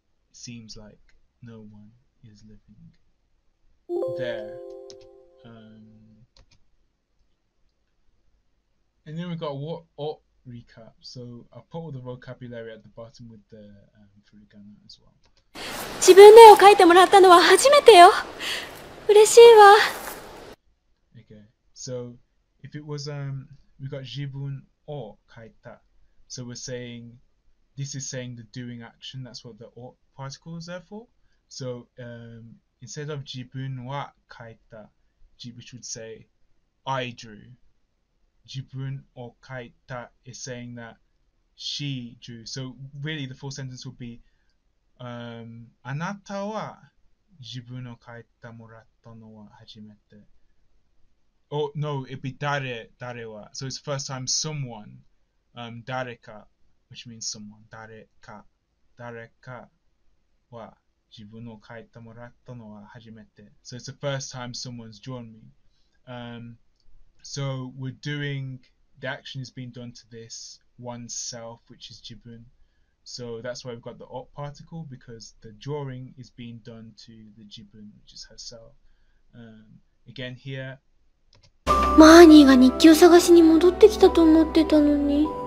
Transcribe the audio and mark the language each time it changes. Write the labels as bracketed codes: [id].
[en] Seems like no one is living there. And then we've got what o recap. So I'll put all the vocabulary at the bottom with the furigana as well. [ja] 自分の絵を描いてもらったのは初めてよ。嬉しいわ。 [en] Okay, so if it was we got [ja] 自分を描いた. [en] So we're saying this is saying the doing action. That's what the o particle is there for. So instead of [ja] 自分は描いた, [en] which would say I drew. [ja] 自分を描いた [en] is saying that she drew. So really the full sentence would be [ja] あなたは自分を描いてもらったのは初めて。 [en] Oh, no, it'd be 誰は。 So it's first time someone, 誰か, which means someone. [ja] 誰かは自分を描いてもらったのは初めて。 [en] So it's the first time someone's drawn me. So we're doing the action is being done to this oneself, which is jibun. So that's why we've got the op particle because the drawing is being done to the jibun, which is herself. Again here. [ja] マーニーが日記を探しに戻ってきたと思ってたのに。